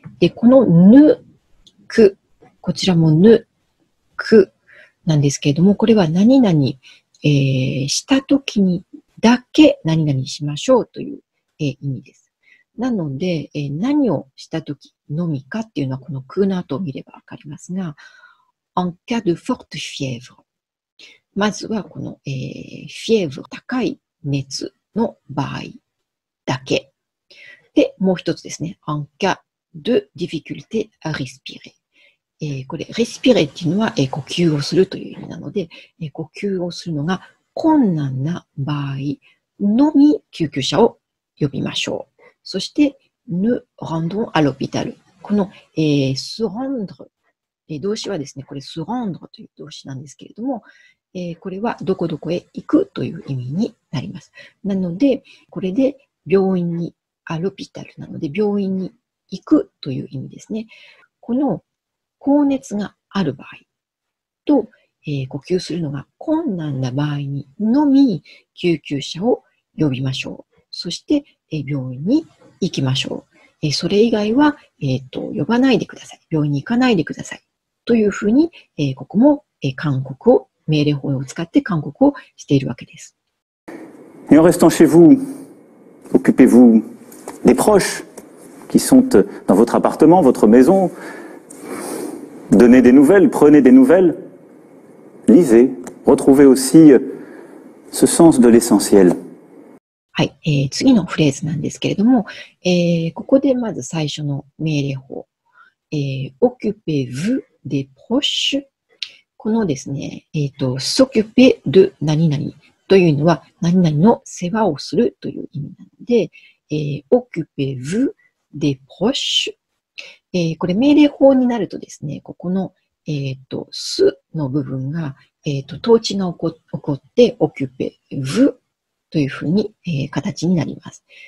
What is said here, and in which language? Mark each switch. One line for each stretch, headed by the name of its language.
Japanese: で、このぬ、く、こちらもぬ、くなんですけれども、これは何々、したときにだけ何々しましょうという、意味です。なので、何をしたときのみかっていうのはこのくの後を見ればわかりますが、
French: en cas de forte fièvre。
Japanese: まずはこの、fièvre、高い熱。の場合だけ。で、もう一つですね。
French: En cas de difficulté à respirer。
Japanese: これ、respirer っていうのは、呼吸をするという意味なので、呼吸をするのが困難な場合のみ救急車を呼びましょう。
French: そして、ne rendons à l'hôpital。
Japanese: この、se rendre、動詞はですね、これ、se rendre という動詞なんですけれども、これはどこどこへ行くという意味になります。なので、これで病院に、アルピタルなので、病院に行くという意味ですね。この高熱がある場合と、呼吸するのが困難な場合にのみ、救急車を呼びましょう。そして、病院に行きましょう。それ以外は、呼ばないでください。病院に行かないでください。というふうに、ここも、勧告を命令法を使って勧告をしているわけです。
French: Et en restant chez vous, occupez-vous des proches qui sont dans votre appartement, votre maison. Donnez des nouvelles, prenez des nouvelles, lisez, retrouvez aussi ce sens de l'essentiel.
Japanese: はい、次のフレーズなんですけれども、ここでまず最初の命令法、
French: occupez-vous des proches。
Japanese: このですね、s'occuper de 何々というのは、何々の世話をするという意味なので、
French: occupez-vous des proches、
Japanese: これ命令法になるとですね、ここの、すの部分が、統治が起こって、occupez-vous というふうに、形になります。